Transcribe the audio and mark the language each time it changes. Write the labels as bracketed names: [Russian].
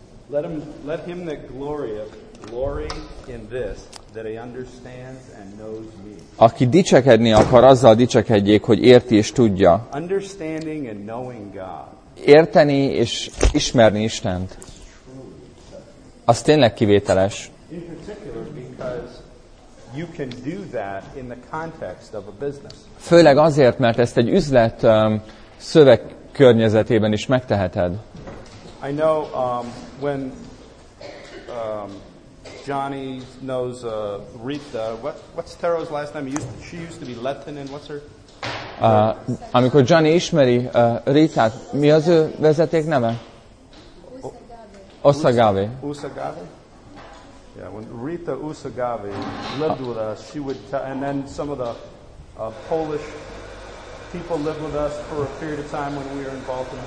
[English] Let him that glory in this. that he understands and knows me. [Hungarian] Aki dicsekedni akar, azzal dicsekedjék, hogy érti és tudja. [English] Understanding and knowing God. [Hungarian] Érteni és ismerni Istent. Az tényleg kivételes. [English] In particular because you can do that in the context of a business. [Hungarian] Főleg azért, mert ezt egy üzlet szöveg környezetében is megteheted. [English] I know when Johnny knows Rita. What's Taro's last name? She used to be Lettinen. What's her? [Hungarian] Amikor Johnny ismeri Ritát, mi az ő vezeték neve? [English] Usagave. Usagave. Yeah, when Rita Usagave lived with us, she would and then some of the Polish people lived with us for a period of time when we were in Baltimore.